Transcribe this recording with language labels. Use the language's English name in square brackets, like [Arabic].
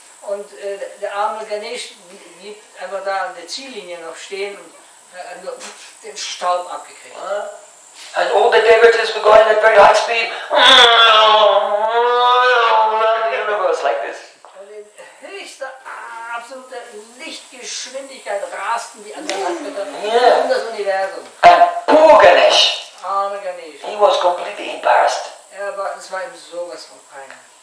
[German] Und der arme Ganesh blieb einfach da an der Ziellinie noch stehen und den Staub abgekriegt. [English] And all the devotees were going at very high speed around the universe like this. [German] Und in höchster, absoluter Lichtgeschwindigkeit rasten die anderen Götter um das Universum. [English] And poor Ganesh. [German] Arme Ganesh. [English] He was completely embarrassed. [German] Ja, aber es war ihm sowas von peinlich.